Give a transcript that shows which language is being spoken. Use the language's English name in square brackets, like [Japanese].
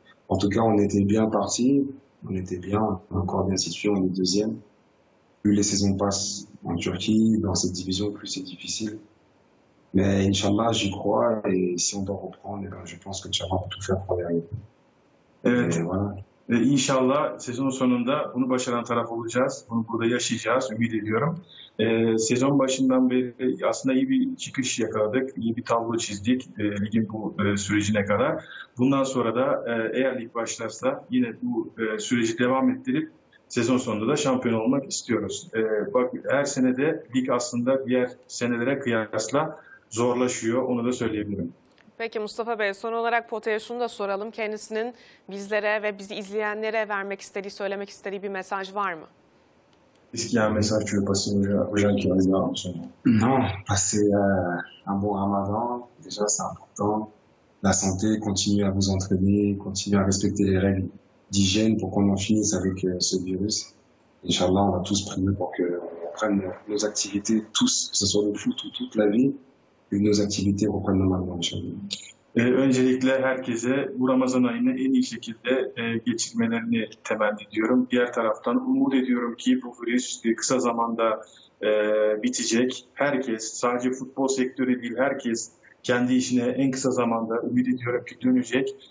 [French] En tout cas, on était bien parti. On était bien, encore bien situé, on est deuxième. Plus les saisons passent en Turquie, dans cette division, plus c'est difficile. Mais Inch'Allah, j'y crois. Et si on doit reprendre, eh bien, je pense que Inch'Allah peut tout faire pour y arriver. [Turkish] Evet. [French] Et voilà. [Turkish] İnşallah sezon sonunda bunu başaran taraf olacağız. Bunu burada yaşayacağız, ümit ediyorum. Sezon başından beri aslında iyi bir çıkış yakaladık, iyi bir tablo çizdik ligin bu sürecine kadar. Bundan sonra da eğer lig başlarsa yine bu süreci devam ettirip sezon sonunda da şampiyon olmak istiyoruz. Bak her senede lig aslında diğer senelere kıyasla zorlaşıyor, onu da söyleyebilirim. Peki Mustafa Bey, son olarak Pote'ye şunu da soralım. Kendisinin bizlere ve bizi izleyenlere vermek istediği, söylemek istediği bir mesaj var mı? Eskiden mesaj çok basit hocam ki bizi var mı sonra? [French] No, passez un bon Ramadan. Déjà, c'est important. La santé, continuez à vous entraîner, continuez à respecter les règles d'hygiène pour qu'on en finisse avec ce virus. Inch'Allah, on va tous prier pour qu'on reprenne nos activités, tous, que ce soit le foot ou toute la vie. Nos activités reprennent normalement aujourd'hui. [Turkish] Öncelikle herkese bu Ramazan ayını en iyi şekilde geçirmelerini temenni ediyorum. Diğer taraftan umut ediyorum ki bu virüs kısa zamanda bitecek. Herkes, sadece futbol sektörü değil, herkes kendi işine en kısa zamanda ümit ediyorum ki dönecek.